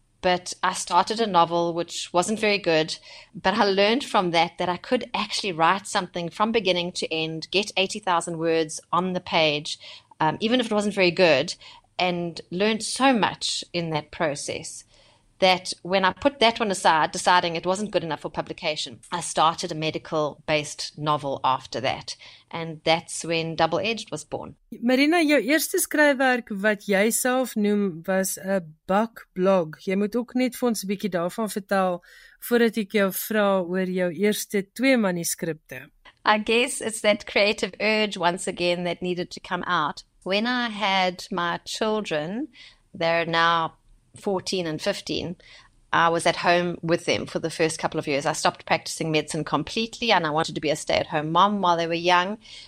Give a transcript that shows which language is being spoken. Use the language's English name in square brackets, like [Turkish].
[English] But I started a novel, which wasn't very good. But I learned from that that I could actually write something from beginning to end, get 80,000 words on the page, even if it wasn't very good, and learned so much in that process that when I put that one aside, deciding it wasn't good enough for publication, I started a medical-based novel after that. And that's when Double Edged was born. [Afrikaans] Marina, jou eerste skryfwerk wat jy self noem was 'n bak blog. Jy moet ook net vir ons 'n bietjie daarvan vertel voordat ek jou vra oor jou eerste twee manuskripte. [English] I guess it's that creative urge once again that needed to come out. When I had my children, they're now 14 and 15, I was at home with them for the first couple of years. I stopped practicing medicine completely and I wanted to be a stay-at-home mom while they were young.